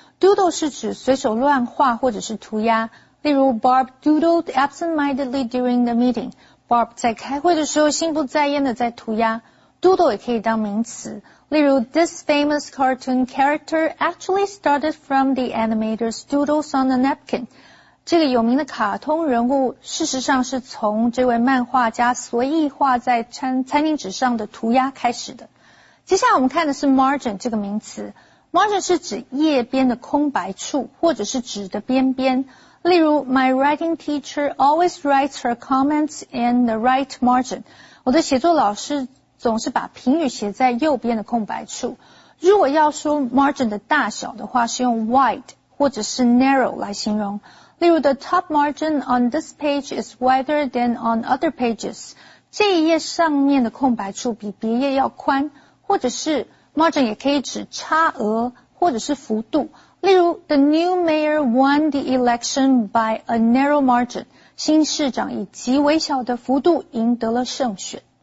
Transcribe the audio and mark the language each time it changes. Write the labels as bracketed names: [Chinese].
[Chinese] Doodle 是指随手乱画或者是涂鸦。例如 ， [English] Barb doodled absentmindedly during the meeting. [Chinese] Barb 在开会的时候心不在焉的在涂鸦。Doodle 也可以当名词。例如 [English] ，This famous cartoon character actually started from the animator's doodles on a napkin. [Chinese] 这个有名的卡通人物事实上是从这位漫画家随意画在餐巾纸上的涂鸦开始的。接下来我们看的是 margin 这个名词。margin 是指页边的空白处或者是纸的边边。例如 [English] ,my writing teacher always writes her comments in the right margin. [Chinese] 我的写作老师总是把评语写在右边的空白处。如果要说 margin 的大小的话是用 wide 或者是 narrow 来形容。例如 [English] ,the top margin on this page is wider than on other pages. [Chinese] 这一页上面的空白处比别页要宽。或者是 margin 也可以指差额或者是幅度。例如 [English] ,the new mayor won the election by a narrow margin. [Chinese] 新市长以极微小的幅度赢得了胜选。